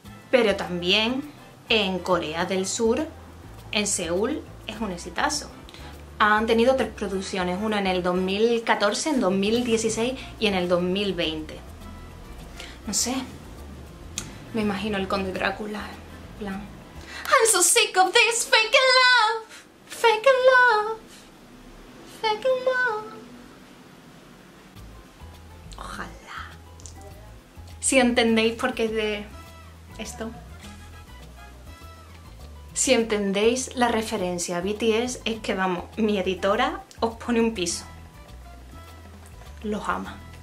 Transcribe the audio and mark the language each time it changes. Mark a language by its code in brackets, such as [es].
[es] Pero también en Corea del Sur, en Seúl, es un exitazo. Han tenido tres producciones, una en el 2014, en 2016 y en el 2020. No sé, me imagino el Conde Drácula, en plan... [en] I'm so sick of this fake love, fake love, fake love. [es] Ojalá. Si entendéis por qué de esto. Si entendéis la referencia a BTS, es que vamos, mi editora os pone un piso. Los ama.